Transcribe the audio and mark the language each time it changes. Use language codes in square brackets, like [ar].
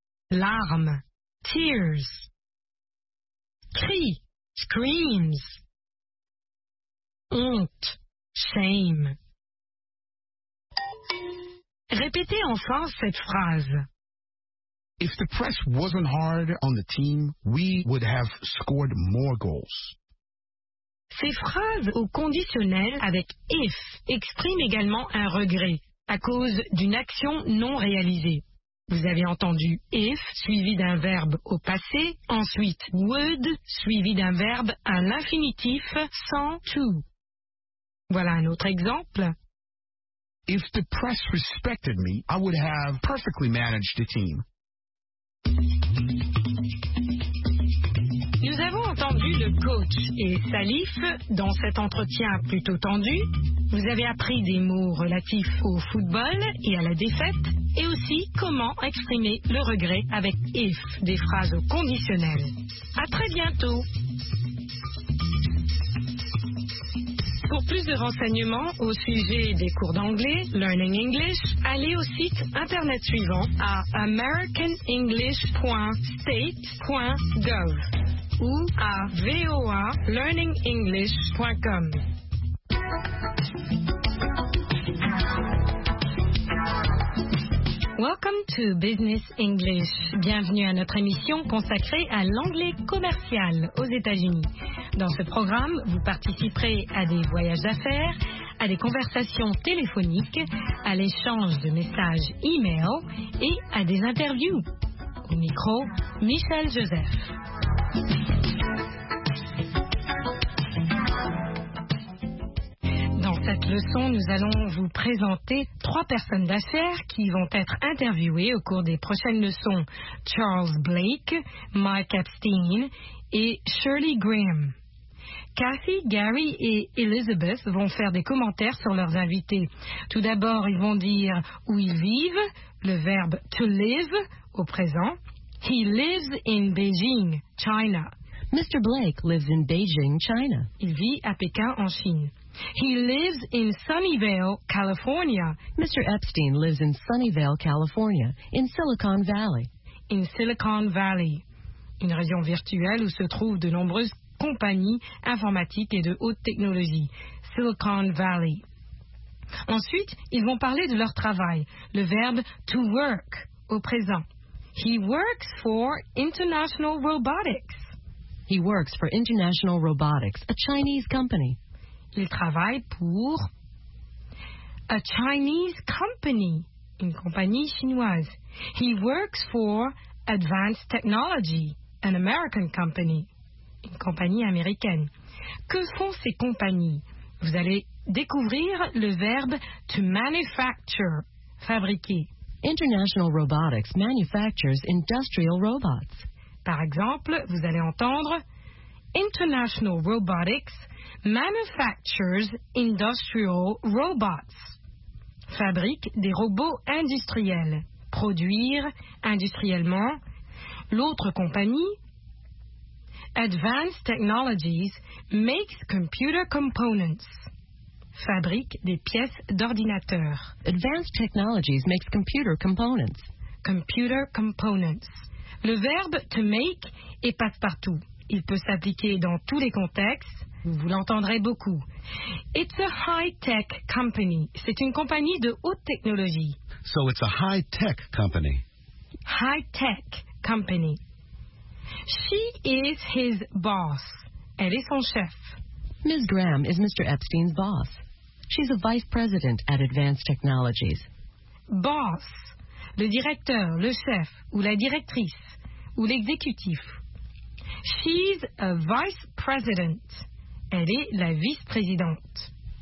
[fr] Larmes, tears. Cris, screams. honte, shame. Répétez enfin cette phrase. [en] If the press wasn't hard on the team, we would have scored more goals. [fr] Ces phrases au conditionnel avec if expriment également un regret à cause d'une action non réalisée. Vous avez entendu if suivi d'un verbe au passé, ensuite would suivi d'un verbe à l'infinitif sans to. Voilà un autre exemple. [en] If the press respected me, I would have perfectly managed the team. [fr] Nous avons entendu le coach et Salif dans cet entretien plutôt tendu. Vous avez appris des mots relatifs au football et à la défaite, et aussi comment exprimer le regret avec if, des phrases au conditionnel. À très bientôt. Pour plus de renseignements au sujet des cours d'anglais, Learning English, allez au site internet suivant à americanenglish.state.gov ou à voalearningenglish.com. [en] Welcome to Business English. [fr] Bienvenue à notre émission consacrée à l'anglais commercial aux États-Unis. Dans ce programme, vous participerez à des voyages d'affaires, à des conversations téléphoniques, à l'échange de messages e-mail et à des interviews. Au micro, Michel Joseph. Cette leçon, nous allons vous présenter trois personnes d'affaires qui vont être interviewées au cours des prochaines leçons. Charles Blake, Mike Epstein et Shirley Graham. Kathy, Gary et Elizabeth vont faire des commentaires sur leurs invités. Tout d'abord, ils vont dire où ils vivent, le verbe to live au présent. [en] He lives in Beijing, China. Mr. Blake lives in Beijing, China. [fr] Il vit à Pékin, en Chine. [en] He lives in Sunnyvale, California. Mr. Epstein lives in Sunnyvale, California, in Silicon Valley. [fr] In Silicon Valley, une région virtuelle où se trouvent de nombreuses compagnies informatiques et de haute technologie. Silicon Valley. Ensuite, ils vont parler de leur travail, le verbe to work au présent. [en] He works for International Robotics. He works for International Robotics, a Chinese company. [fr] Il travaille pour [en] a Chinese company, [fr] une compagnie chinoise. [en] He works for Advanced Technology, an American company, [fr] une compagnie américaine. Que font ces compagnies? Vous allez découvrir le verbe to manufacture, fabriquer. [en] International Robotics manufactures industrial robots. [fr] Par exemple, vous allez entendre [en] International Robotics manufactures industrial robots. [fr] Fabrique des robots industriels. Produire industriellement. L'autre compagnie, [en] Advanced Technologies makes computer components. [fr] Fabrique des pièces d'ordinateur. [en] Advanced Technologies makes computer components. Computer components. [fr] Le verbe to make est passe-partout. Il peut s'appliquer dans tous les contextes. Vous l'entendrez beaucoup. [en] It's a high-tech company. [fr] C'est une compagnie de haute technologie. [en] So it's a high-tech company. High-tech company. She is his boss. [fr] Elle est son chef. [en] Ms. Graham is Mr. Epstein's boss. She's a vice president at Advanced Technologies. Boss. [fr] Le directeur, le chef, ou la directrice, ou l'exécutif. [en] She's a vice president. [fr] Elle est la vice-présidente.